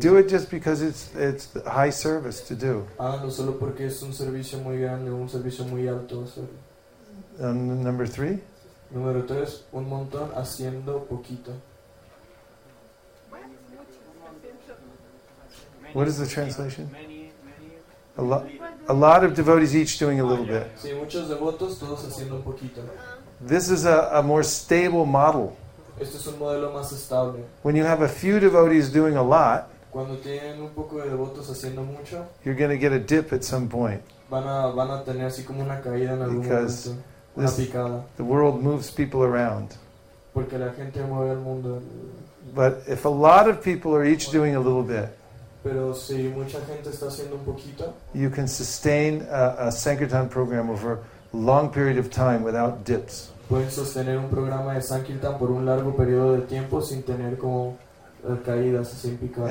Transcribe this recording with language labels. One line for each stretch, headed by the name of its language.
English: Do it just because it's high service to do.
Spanish: Ah, no solo porque es un servicio muy grande, un servicio muy alto.
English: Number three.
Spanish: Número tres, un montón haciendo poquito.
English: What is the translation? A lot of devotees each doing a little bit.
Spanish: Sí, muchos devotos, todos haciendo un poquito.
English: This is a more stable model.
Spanish: Este es un modelo más estable.
English: When you have a few devotees doing a lot,
Spanish: cuando tienen un poco de devotos haciendo mucho,
English: you're going to get a dip at some point.
Spanish: Van a tener así como una caída en algún momento.
English: Because
Spanish: this, una picada.
English: The world moves people around.
Spanish: Porque la gente mueve el mundo.
English: But if a lot of people are each doing a little bit,
Spanish: pero si mucha gente está haciendo un poquito,
English: you can sustain a Sankirtan program over a long period of time without dips.
Spanish: Pueden sostener un programa de Sankirtan por un largo periodo de tiempo sin tener como caídas, sin picar.